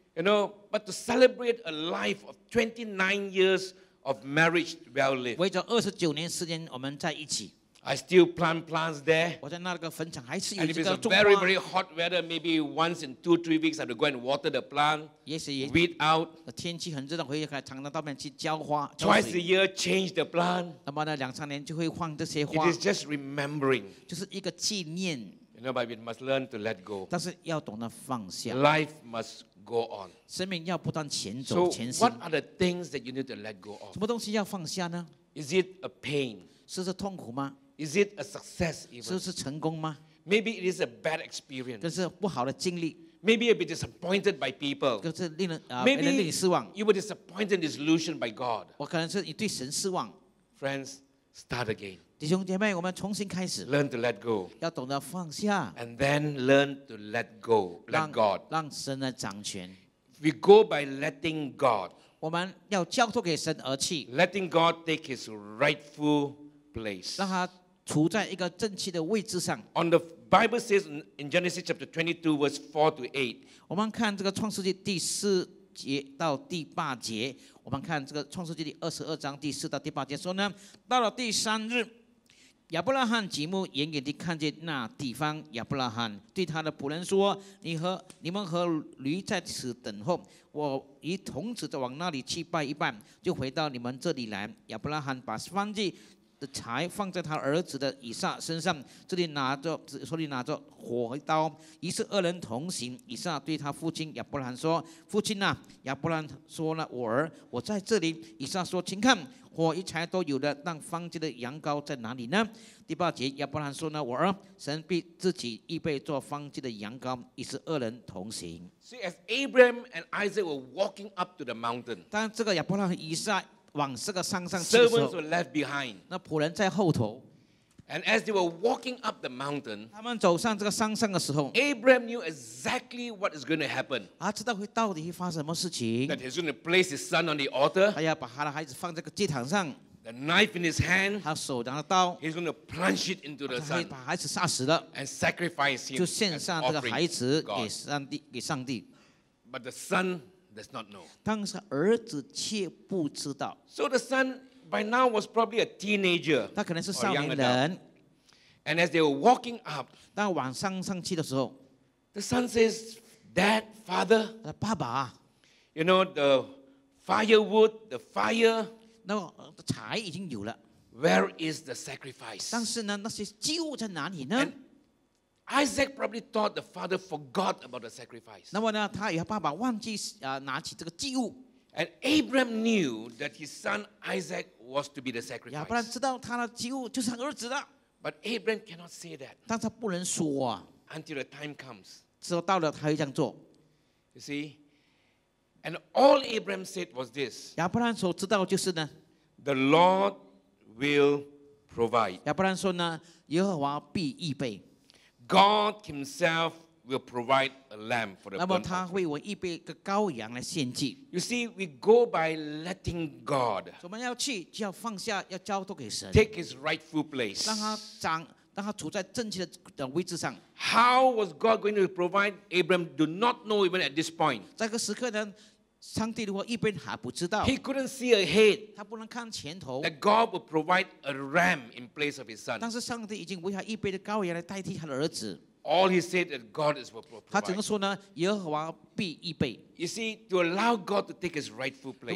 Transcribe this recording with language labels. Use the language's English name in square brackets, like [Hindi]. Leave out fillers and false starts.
[English] You know, but to celebrate a life of 29 years.Of marriage well lived. [Chinese] 为着29年时间我们在一起。 [English] I still plant plants there. [Chinese] 我在那个坟场还是有这个种花。 [English] And if it's a very, very hot weather, maybe once in 2-3 weeks, I have to go and water the plant. Yes, yes. Weed out. [Chinese] 天气很热的，回去常常到那边去浇花。 [English] Twice a year, change the plant. [Chinese] 那么呢，两三年就会换这些花。 [English] It is just remembering. [Chinese] 就是一个纪念。 [English] You know, but we must learn to let go. [Chinese] 但是要懂得放下。 [English] Life must go on. [Chinese] 生命要不断前走、 [English] so、 [Chinese] 前行。 [English] So, what are the things that you need to let go of? [Chinese] 什么东西要放下呢？ [English] Is it a pain? [Chinese] 是痛苦吗？ [English] Is it a success even? [Chinese] 是不是成功吗? [English] Maybe it is a bad experience. [Chinese] 这是不好的经历。 [English] Maybe you'll be disappointed by people. [Chinese] 就是令人啊，令人失望。 [English] You were disappointed and disillusioned by God. [Chinese] 我可能是你对神失望。 [English] Friends, start again. [Chinese] 弟兄姐妹，我们重新开始。 [English] Learn to let go. [Chinese] 要懂得放下。 [English] And then learn to let go, let God. [Chinese] 让神来掌权。 [English] We go by letting God. [Chinese] 我们要交托给神而去。 [English] Letting God take His rightful place. [Chinese] 让他处在一个正确的位置上。 [English] On the Bible says in Genesis chapter 22, verse 4-8. [Chinese] 我们看这个创世纪第四节到第八节。我们看这个创世纪第二十二章第四到第八节说呢，到了第三日，亚伯拉罕举目远远地看见那地方，亚伯拉罕对他的仆人说：“你们和驴在此等候，我与童子在往那里去拜一拜，就回到你们这里来。” 亚伯拉罕把燔祭的柴放在他儿子的以撒身上，这里拿着，手里拿着火刀，于是二人同行。以撒对他父亲亚伯兰说：“父亲啊！” 亚伯兰说了：“我儿，我在这里。” 以撒说：“请看，火与柴都有了，但方祭的羊羔在哪里呢？” 第八节，亚伯兰说呢：“我儿，神必自己预备做方祭的羊羔。” 于是二人同行。 [English] See, as Abraham and Isaac were walking up to the mountain, [Chinese] 当这个亚伯兰和以撒往这个山上去的时候， [English] servants were left behind. [Chinese] 那仆人在后头。 [English] And as they were walking up the mountain, [Chinese] 他们走上这个山上的时候， [English] Abraham knew exactly what is going to happen. [Chinese] 他知道会到底会发生什么事情。 [English] That he's going to place his son on the altar. [Chinese] 他要把他的孩子放在这个祭坛上。 [English] The knife in his hand. [Chinese] 他手拿着刀。 [English] He's going to plunge it into the sun. [Chinese] 把孩子杀死了。 [English] And sacrifice him. [Chinese] 就献上这个孩子给上帝。 [English] But the son does not know. [Chinese] 但是儿子却不知道。 [English] So the son by now was probably a teenager. [Chinese] 他可能是少年人。 [English] And as they were walking up, [Chinese] 当往上上去的时候， [English] the son says, "Dad, father." [Chinese] 他的爸爸， [English] you know the firewood, the fire. [Chinese] 那个柴已经有了。 [English] Where is the sacrifice? [Chinese] 但是呢，那些祭物在哪里呢？ [English] And Isaac probably thought the father forgot about the sacrifice. [Chinese] 那么呢，他与他爸爸忘记拿起这个祭物。 [English] And Abraham knew that his son Isaac was to be the sacrifice. [Chinese] 亚伯兰知道他的祭物就是他儿子的。 [English] But Abraham cannot say that. [Chinese] 但他不能说啊。 [English] Until the time comes. [Chinese] 直到了他会这样做。 [English] You see, and all Abraham said was this. [Chinese] 亚伯兰所知道就是呢。 [English] The Lord will provide. [Chinese] 亚伯兰说呢，耶和华必预备。 [English] God Himself will provide a lamb for the burnt offering. [Chinese] 那么他会为我预备一个羔羊来献祭。 [English] You see, we go by letting God. [Chinese] 我们要去就要放下，要交托给神。 [English] Take His rightful place. [Chinese] 让他处在正确的位置上。 [English] How was God going to provide Abraham? Do not know even at this point. [Chinese] 在这个时刻呢，上帝如何预备还不知道。 [English] He couldn't see ahead. [Chinese] 他不能看前头。 [English] That God would provide a ram in place of his son. [Chinese] 但是上帝已经为他预备的羔羊来代替他的儿子。 [English] All he said that God is will provide. [Chinese] 他只能说呢，耶和华必预备。 [English] You see, to allow God to take His rightful place.